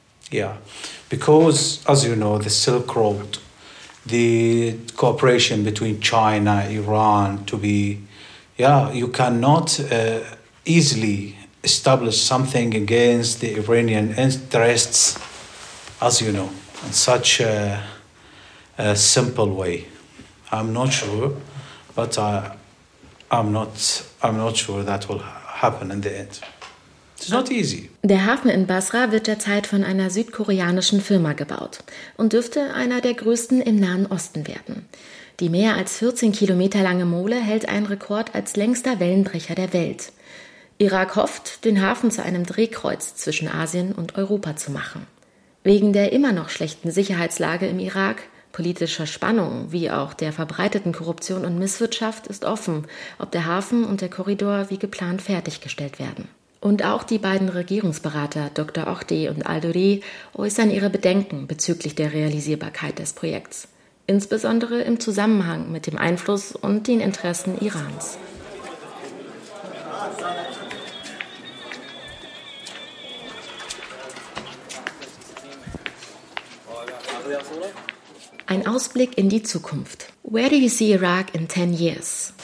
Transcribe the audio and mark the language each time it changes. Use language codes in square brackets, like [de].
[en] Yeah, because as you know, the Silk Road, the cooperation between China, Iran, you cannot easily establish something against the Iranian interests, as you know. In such a simple way, I'm not sure, but I'm not sure that will happen in the end. It's not easy. [de] Der Hafen in Basra wird derzeit von einer südkoreanischen Firma gebaut und dürfte einer der größten im Nahen Osten werden. Die mehr als 14 Kilometer lange Mole hält einen Rekord als längster Wellenbrecher der Welt. Irak hofft, den Hafen zu einem Drehkreuz zwischen Asien und Europa zu machen. Wegen der immer noch schlechten Sicherheitslage im Irak, politischer Spannung wie auch der verbreiteten Korruption und Misswirtschaft ist offen, ob der Hafen und der Korridor wie geplant fertiggestellt werden. Und auch die beiden Regierungsberater Dr. Ohdi und Al-Duri äußern ihre Bedenken bezüglich der Realisierbarkeit des Projekts, insbesondere im Zusammenhang mit dem Einfluss und den Interessen Irans. Ein Ausblick in die Zukunft. [en] Where do you see Iraq in 10 years?